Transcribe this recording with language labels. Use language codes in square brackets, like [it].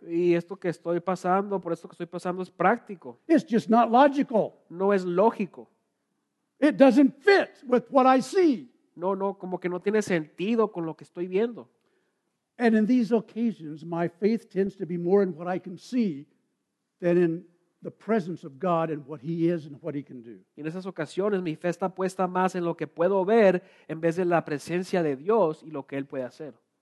[es] Y esto que estoy pasando, por esto que estoy pasando es práctico. [en] It's just not logical. [es] No es lógico. [en] It doesn't fit with what I see. [es] No, como que no tiene sentido con lo que estoy viendo. [en] And in these occasions, my faith tends to be more in what I can see than in the presence of God and what He is and what He can do. [es] Y en esas ocasiones, mi fe está puesta más en lo que puedo ver en vez de la presencia de Dios y lo que Él puede hacer.